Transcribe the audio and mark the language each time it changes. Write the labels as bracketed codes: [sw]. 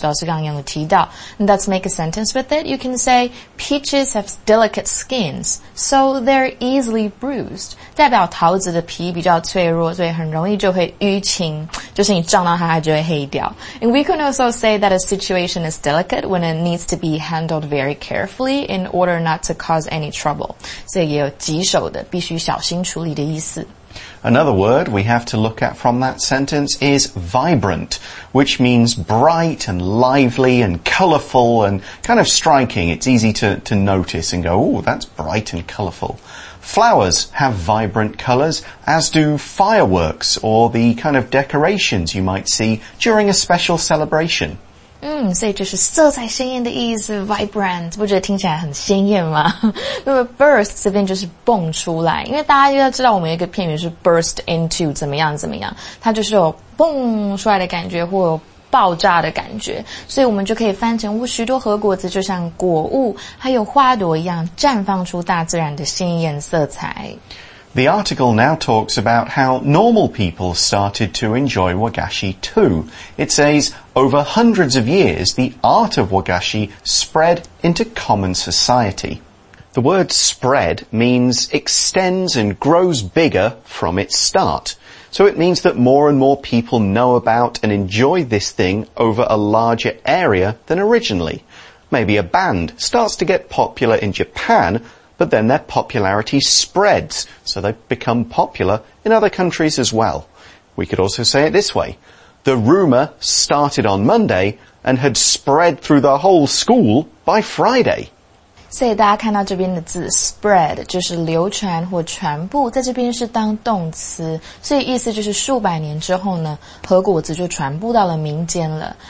[zh] 老师刚刚有提到 [en] ，and let's make a sentence with it. You can say peaches have delicate skins, so they're easily. [zh] Bruised, 代表桃子的皮比较脆弱，所以很容易就会淤青，就是你撞到它，它就会黑掉。 [en] And we can also say that a situation is delicate when it needs to be handled very carefully in order not to cause any trouble. [zh] 所以也有棘手的，必须小心处理的意思。 [en] Another word we have to look at from that sentence is vibrant, which means bright and lively and colorful and kind of striking. It's easy to notice and go, oh, that's bright and colorful. Flowers have vibrant colors, as do fireworks or the kind of decorations you might see during a special celebration. [zh] 所以就是色彩鲜艳的意思 ,vibrant, 不觉得听起来很鲜艳吗？那么 burst 这边就是蹦出来，因为大家要知道我们有一个片语是 burst into 怎么样怎么样，它就是有蹦出来的感觉或有爆炸的感觉，所以我们就可以翻成许多核果子就像果物还有花朵一样绽放出大自然的鲜艳色彩。 [en] The article now talks about how normal people started to enjoy wagashi too. It says, over hundreds of years, the art of wagashi spread into common society. The word spread means extends and grows bigger from its start. So it means that more and more people know about and enjoy this thing over a larger area than originally. Maybe a band starts to get popular in Japan, but then their popularity spreads, so they become popular in other countries as well. We could also say it this way. The rumor started on Monday and had spread through the whole school by Friday. [zh] 所以大家看到这边的字 spread 就是流传或传播，在这边是当动词，所以意思就是数百年之后呢，核果子就传播到了民间了。